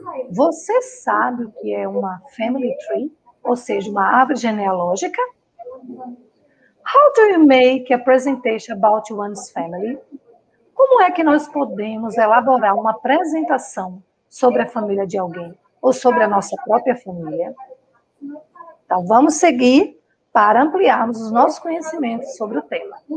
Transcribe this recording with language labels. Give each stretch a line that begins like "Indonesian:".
Portuguese: Você sabe o que é uma family tree? Ou seja, uma árvore genealógica?
English: How do you make a presentation about one's family?
Portuguese: Como é que nós podemos elaborar uma apresentação sobre a família de alguém ou sobre a nossa própria família? Então, vamos seguir para ampliarmos os nossos conhecimentos sobre o tema.